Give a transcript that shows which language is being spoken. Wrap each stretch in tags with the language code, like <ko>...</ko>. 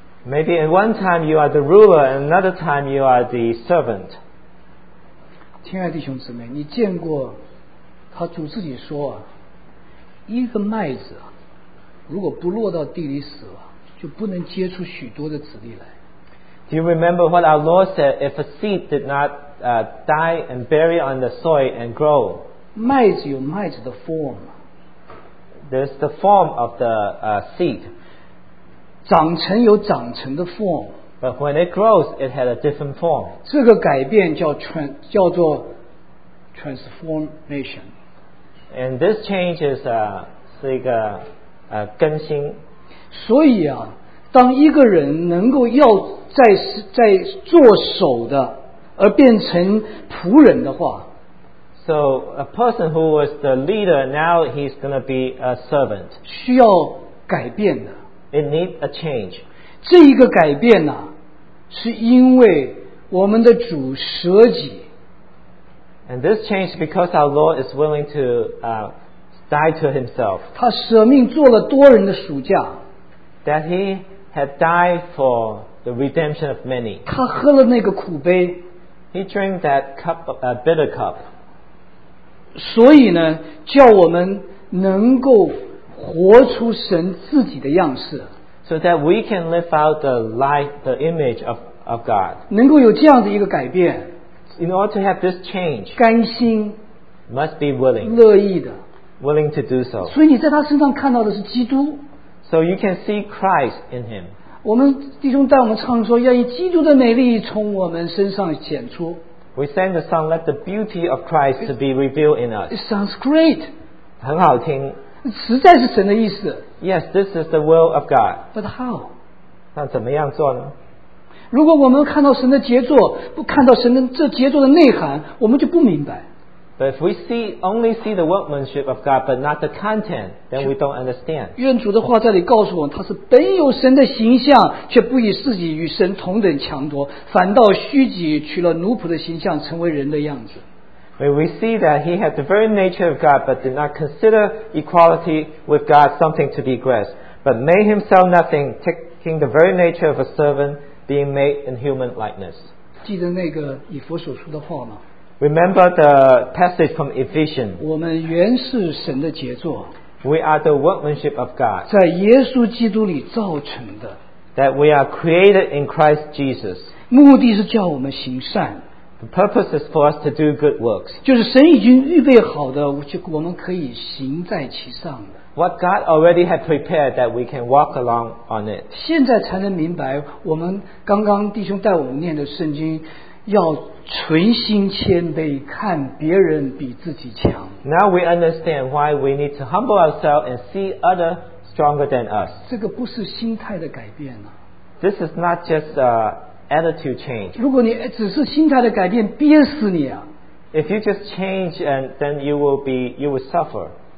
<en>Maybe at one time you are the ruler, and another time you are the servant.</en> <zh>亲爱的弟兄姊妹, 你见过, 他主自己说, 一个麦子, 如果不落到地里死了, 就不能结出许多的子粒来。</zh> <en>Do you remember what our Lord said? If a seed did not die and bury on the soil and grow,</en> <zh>麦子有麦子的form,</zh> <en>there's the form of the seed.</en> <zh>长成有长成的form,</zh> <en>but when it grows, it had a different form.</en> <zh>这个改变叫做 transformation.</zh> <en>And this change is</en> <zh>是一个 更新。所以啊, 当一个人能够要在做首的而变成仆人的话,</zh> <en>so a person who was the leader, now he's going to be a servant,</en> <zh>需要改变的,</zh> <en>it needs a change.</en> <zh>这一个改变啊, 是因为我们的主舍己,</zh> <en>and this change because our Lord is willing to died to himself.</en> <zh>他舍命做了多人的赎价。</zh> <en>That he had died for the redemption of many.</en> <zh>他喝了那个苦杯。</zh> <en>He drank that cup, bitter cup.</en> <zh>所以呢, 叫我们能够活出神自己的样式。</zh> <en>So that we can live out the life, the image of, God.</en> <zh>能够有这样的一个改变。</zh> <en>In order to have this change,</en> <zh>甘心,</zh> <en>must be willing,</en> <zh>乐意的,</zh> <en>willing to do so.</en> <zh>所以你在他身上看到的是基督。</zh> <en>So you can see Christ in him.</en> <zh>我们弟兄带我们唱说, 愿意基督的美丽从我们身上显出。</zh> <en>We sang the song, let the beauty of Christ to be revealed in us. It sounds great.</en> <zh>很好听。实在是神的意思。</zh> <en>Yes, this is the will of God. But how?</en> <zh>那怎么样做呢? 如果我们看到神的杰作, 不看到神的这杰作的内涵, 我们就不明白。</zh> <en>But if we see, only see the workmanship of God, but not the content, then we don't understand.</en> <zh>愿主的话在里告诉我们, 他是本有神的形象, 却不以自己与神同等强夺, 反倒虚己, 取了奴仆的形象, 成为人的样子。</zh> <en>When we see that he had the very nature of God, but did not consider equality with God something to be grasped, but made himself nothing, taking the very nature of a servant, being made in human likeness.</en> <zh>记得那个以弗所书的话吗?</zh> <en>Remember the passage from Ephesians.</en> <zh>我们原是神的杰作,</zh> <en>we are the workmanship of God.</en> <zh>在耶稣基督里造成的,</zh> <en>that we are created in Christ Jesus.</en> <zh>目的是叫我们行善,</zh> <en>the purpose is for us to do good works.</en> <zh>就是神已经预备好的, 我们可以行在其上的。</zh> <en>What God already had prepared that we can walk along on it.</en> <zh>现在才能明白我们刚刚弟兄带我们念的圣经, 要存心谦卑, 看别人比自己强。</zh> <en>Now we understand why we need to humble ourselves and see others stronger than us.</en> <zh>这个不是心态的改变啊。</zh> <en>This is not just a attitude change.</en> <zh>如果你只是心态的改变, 憋死你啊。</zh> <en>If you just change and then you will be, you will suffer.</en>